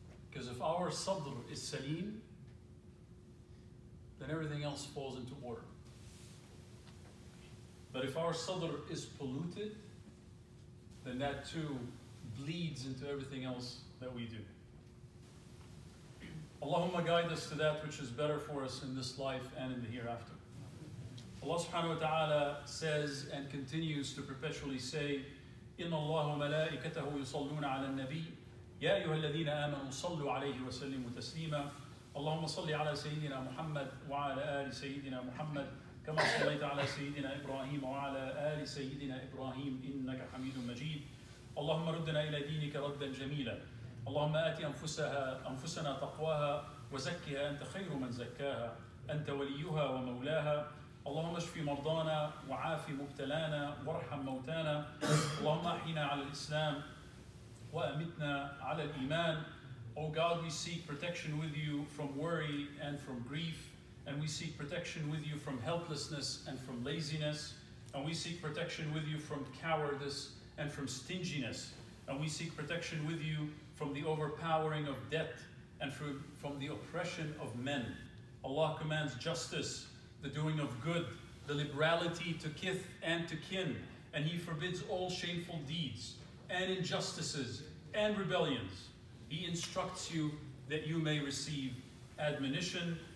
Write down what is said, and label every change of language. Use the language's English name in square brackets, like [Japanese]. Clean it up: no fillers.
[English] Because if our sadr is saleem, then everything else falls into order. But if our sadr is polluted, then that too bleeds into everything else that we do. Allahumma guide us to that which is better for us in this life and in the hereafter. Allah subhanahu wa ta'ala says and continues to perpetually say, [Arabic] إِنَّ اللَّهُ مَلَائِكَتَهُ يُصَلُّونَ عَلَى النَّبِيِّ يَا أَيُّهَا الَّذِينَ آمَنُوا صَلُّوا عَلَيْهِ وَسَلِّمُوا تَسْلِيمًا اللهم صل على سيدنا محمد وعلى آل سيدنا محمد كما صليت على سيدنا إبراهيم وعلى آل سيدنا إبراهيم إنك حميد مجيد اللهم ردنا إلى دينك ردا جميلا اللهم آت أنفسنا تقواها وزكها أنت خير من زكاها أنت وليها ومولاها اللهم اشف مرضانا وعاف مبتلانا وارحم موتانا اللهم أحينا على الإسلام وأمتنا على الإيمان [English] O God, we seek protection with you from worry and from grief, and we seek protection with you from helplessness and from laziness, and we seek protection with you from cowardice and from stinginess, and we seek protection with you from the overpowering of debt and from the oppression of men. Allah commands justice, the doing of good, the liberality to kith and to kin, and He forbids all shameful deeds and injustices and rebellions. He instructs you that you may receive admonition.